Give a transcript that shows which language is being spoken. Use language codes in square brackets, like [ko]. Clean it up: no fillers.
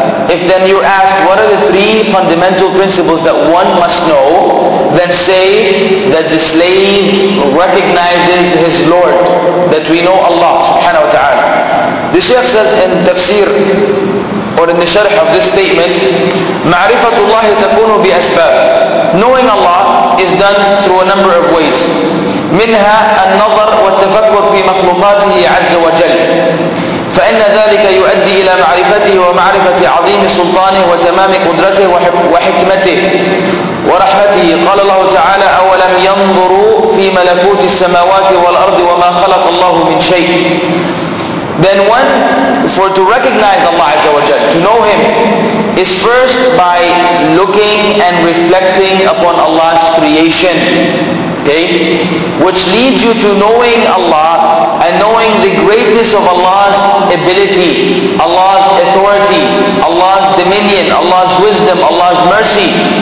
[en] If then you ask, what are the three fundamental principles that one must know, then say that the slave recognizes his Lord, that we know Allah subhanahu wa ta'ala. The Shaykh says in tafsir, or in the sharh of this statement, [ar] مَعْرِفَةُ اللَّهِ تَكُونُ بِأَسْبَابٍ. [en] Knowing Allah is done through a number of ways. [ar] منها النظر والتفكر في مخلوقاته عز وجل فإن ذلك يؤدي إلى معرفته ومعرفة عظيم سلطانه وتمام قدرته وحكمته ورحمته. قال الله تعالى أولم ينظروا في ملكوت السماوات والأرض وما خلق الله من شيء. [en] Then one, for to recognize Allah عز وجل, to know Him, is first by looking and reflecting upon Allah's creation. Okay? Which leads you to knowing Allah and knowing the greatness of Allah's ability, Allah's authority, Allah's dominion, Allah's wisdom, Allah's mercy.